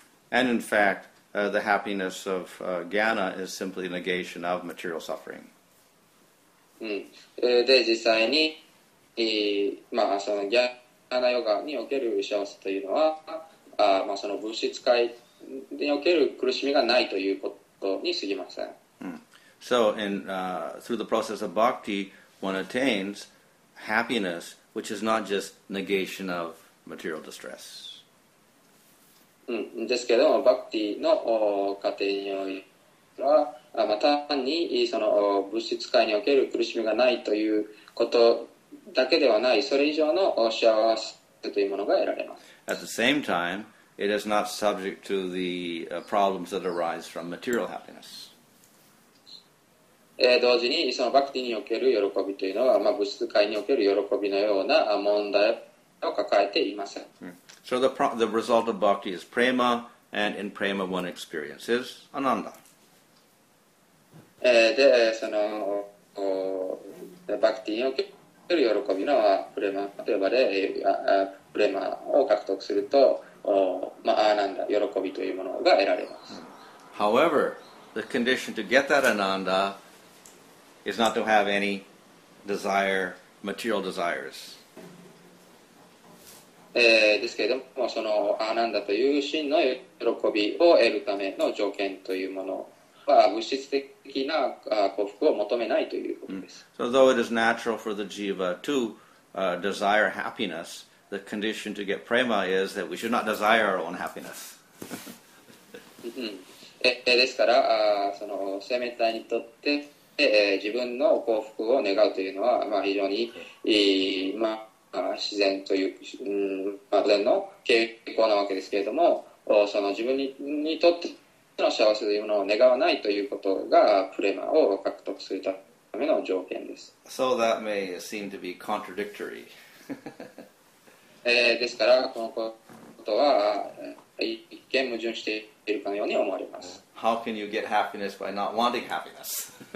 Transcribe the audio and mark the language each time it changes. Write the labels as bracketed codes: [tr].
[en] And in fact, the happiness of Jnana is simply negation of material suffering. [ja] で、実際に、まあ、そのギャジャーナヨガにおける幸せというのは、まあ、その物質界における苦しみがないということにすぎません。 [en] So, in, through the process of bhakti, one attains happiness, which is not just negation of material distress. [ja] ですけども、バクティの過程においては、まあ、単にその物質界における苦しみがないということだけではない、それ以上の幸せというものが得られます。 [en] At the same time, it is not subject to the problems that arise from material happiness. [ja] 同時にそのバクティにおける喜びというのは、まあ、物質界における喜びのような問題を抱えていません。 [en] So the result of bhakti is prema, and in prema one experiences ananda. [ja] で、そのバクティにおける喜びのはプレマと呼ばれ、プレマを獲得すると、まあ、アナンダ、喜びというものが得られます。 [en] However, the condition to get that ananda is not to have any desire, material desires. [ja] ですけれども、そのアナンダという真の喜びを得るための条件というものは、物質的な幸福を求めないということです。 [en] So though it is natural for the jiva to desire happiness, the condition to get prema is that we should not desire our own happiness. [ja] ですから、その生命体にとって、自分の幸福を願うというのは、まあ、非常に、まあ自然という、まあ、自然の傾向なわけですけれども、その自分 にとっての幸せというものを願わないということがプレマを獲得するための条件です。 [en] So that may seem to be contradictory. [ja] ですから、このことは一見矛盾しているかのように思われます。 [en] How can you get happiness by not wanting happiness?